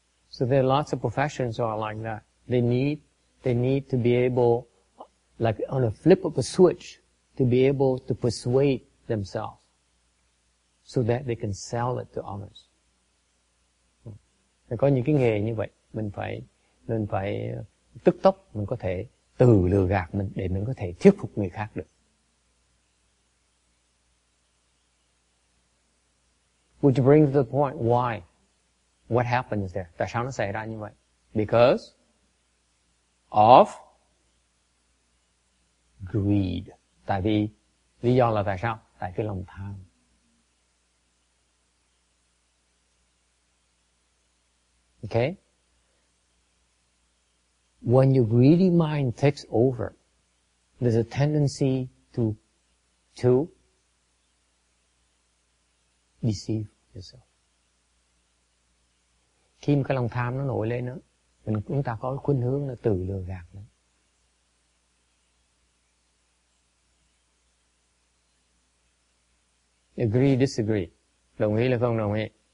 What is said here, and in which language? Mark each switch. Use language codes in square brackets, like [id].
[en] So there are lots of professions who are like that. They need to be able, like on a flip of a switch, to be able to persuade themselves so that they can sell it to others. [vi] Có những cái nghề như vậy, mình phải tức tốc mình có thể tự lừa gạt mình để mình có thể thuyết phục người khác được. [en] Which brings the point why. What happens there? [vi] Tại sao nó xảy ra như vậy? [en] Because of greed. [vi] Tại vì, lý do là tại sao? Tại cái lòng tham. [en] Okay? When your greedy mind takes over, there's a tendency to deceive yourself. [vi] Khi mà cái lòng tham nó nổi lên nữa, mình chúng ta có khuynh hướng là tự lừa gạt nữa. [en] Agree, disagree. [vi] Đồng ý là không đồng ý?